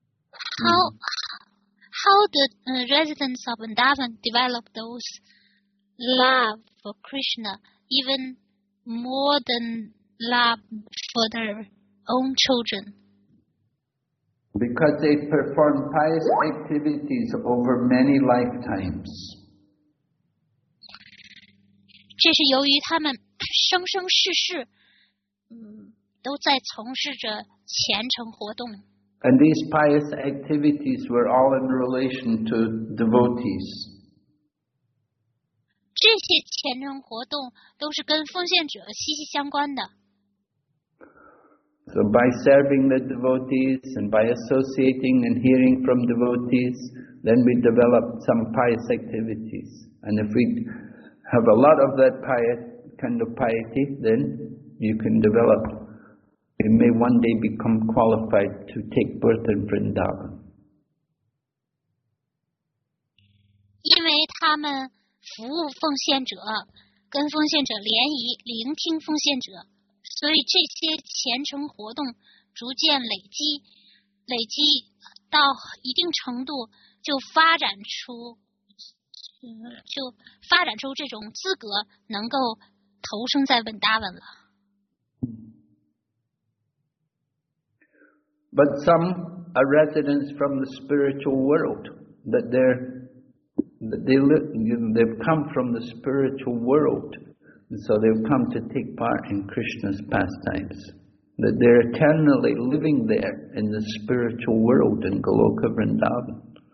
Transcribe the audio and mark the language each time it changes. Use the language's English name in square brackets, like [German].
[English] How the residents of Vrindavan develop those love for Krishna even more than love for their own children? Because they perform pious activities over many lifetimes. [Chinese] 这是由于他们生生世世都在从事着虔诚活动。 [English] And these pious activities were all in relation to devotees. [Chinese] 这些虔诚活动都是跟奉献者息息相关的。 [English] So by serving the devotees and by associating and hearing from devotees, then we develop some pious activities. And if we have a lot of that pious kind of piety, then you can develop. You may one day become qualified to take birth in Vrindavan. [Chinese] 因为他们服务奉献者，跟奉献者联谊，聆听奉献者，所以这些虔诚活动逐渐累积到一定程度，就发展出这种资格，能够投生在Vrindavan了。 [English] But some are residents from the spiritual world, they've come from the spiritual world, and so they've come to take part in Krishna's pastimes, that they're eternally living there in the spiritual world in Goloka Vrindavan.